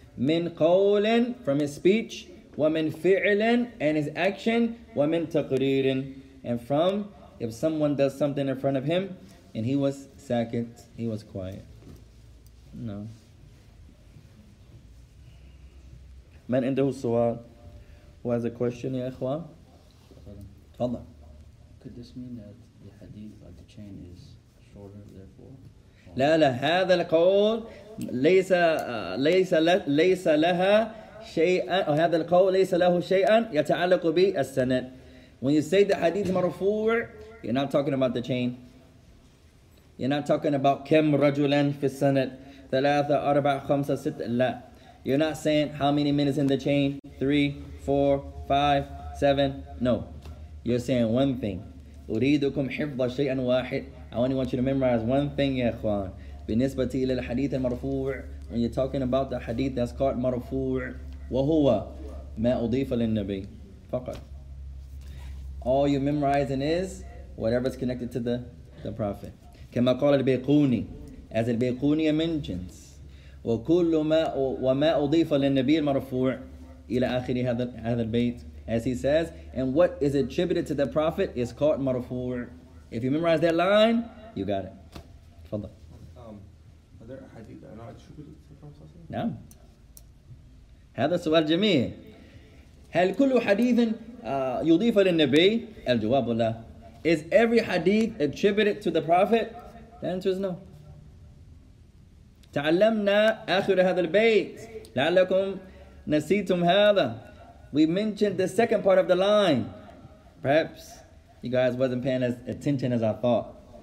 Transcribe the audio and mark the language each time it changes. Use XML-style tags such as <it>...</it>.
<ar>Min qawlin,</ar> <en>from his speech,</en> <ar>wa min fi'lin,</ar> <en>and his action,</en> <ar>wa min taqreerin,</ar> <en>and from, if someone does something in front of him, and he was sakit, he was quiet. No.</en> <ar>Man indahu suwal.</ar> <en>Who has a question,</en> <ar>ya ikhwa? Tafadhal.</ar> <en>Could this mean that the hadith, like the chain, is shorter, therefore?</en> <ar>لا لا هذا القول ليس لها شيئا أو هذا القول ليس له شيئا يتعلق بالسند.</ar> <en>When you say the hadith marfu, you're not talking about the chain. You're not talking about</en> <ar>كم رجلا في السند ثلاثة أربعة خمسة ستة. لا.</ar> <en>You're not saying how many men is in the chain, 3, 4, 5, 7. No. You're saying one thing.</en> <ar>أريدكم حفظ شيئا واحد.</ar> <en>I only want you to memorize one thing, ya ikhwan.</en> <ar>بِنِسْبَةِ إِلَى الْحَدِيثِ الْمَرْفُوعِ.</ar> <en>When you're talking about the hadith that's called marfu',</en> <ar>وَهُوَ مَا أُضِيفَ لِلنَّبِي فَقَط.</ar> <en>All you're memorizing is whatever's connected to the Prophet.</en> <ar>كَمَا قَالَ الْبَيْقُونِ.</ar> <en>As</en> <ar>الْبَيْقُونِ</ar> <en>mentions,</en> <ar>وَكُلُّ مَا أُضِيفَ لِلنَّبِي الْمَرْفُوعِ إِلَى آخِرِ هَذَا الْبَيْتِ.</ar> <en>As he says, and what is attributed to the Prophet is called marfu'. If you memorize that line, you got it. Tafadhal. Are there hadith that are not attributed to the Prophet? No.</en> <ar>هذا سؤال جميل. هل كل حديث يضيف للنبي؟ الجواب لا.</ar> <en>Is every hadith attributed to the Prophet? The answer is no.</en> <ar>تعلمنا آخر هذا البيت. لعلكم نسيتم هذا.</ar> <en>We mentioned the second part of the line. Perhaps you guys wasn't paying as attention as I thought.</en>